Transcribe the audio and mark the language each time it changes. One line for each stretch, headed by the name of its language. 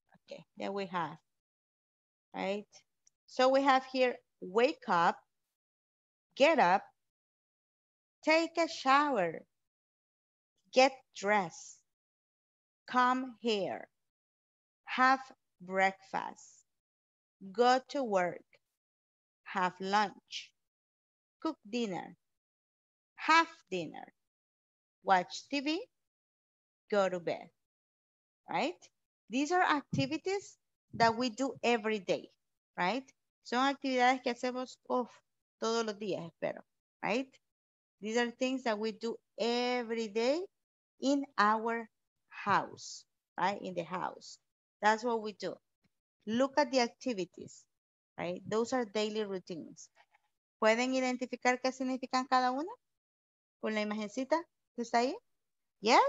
English: Okay, there we have. Right? So we have here, wake up, get up, take a shower, get dressed, come here, have breakfast, go to work, have lunch, cook dinner, have dinner, watch TV, go to bed, right? These are activities that we do every day, right?
Spanish: Son actividades que hacemos todos los días, espero, right?
English: These are things that we do every day in our house, right? In the house. That's what we do. Look at the activities, right? Those are daily routines.
Spanish: ¿Pueden identificar qué significan cada una? Con la imagencita. ¿Está ahí? Yes?